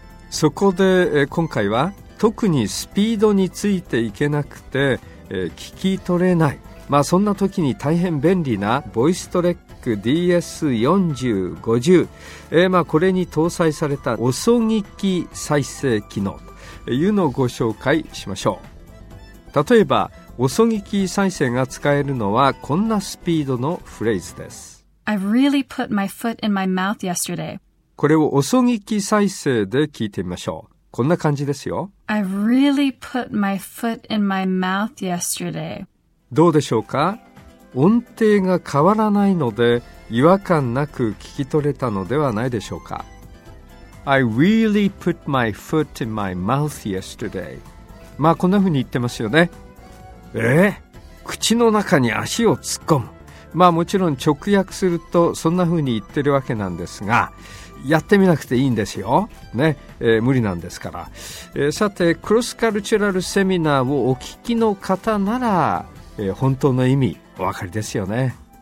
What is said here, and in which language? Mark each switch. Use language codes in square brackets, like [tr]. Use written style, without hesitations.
[ja] そこで今回は、特にスピードについていけなくて聞き取れない、まあそんな時に大変便利なボイストレック DS4050、まあこれに搭載された遅聞き再生機能というのをご紹介しましょう。例えば遅聞き再生が使えるのはこんなスピードのフレーズです。 [en] I've really put my foot in my mouth yesterday. [ja] これを遅聞き再生で聞いてみましょう。こんな感じですよ。 [en] I really put my foot in my mouth yesterday. [ja] どうでしょうか？音程が変わらないので違和感なく聞き取れたのではないでしょうか。 [en] I really put my foot in my mouth yesterday. [ja] まあこんな風に言ってますよね。口の中に足を突っ込む。まあもちろん直訳するとそんな風に言ってるわけなんですが、やってみなくていいんですよ、無理なんですから、さてクロスカルチュラルセミナーをお聞きの方なら、本当の意味お分かりですよね。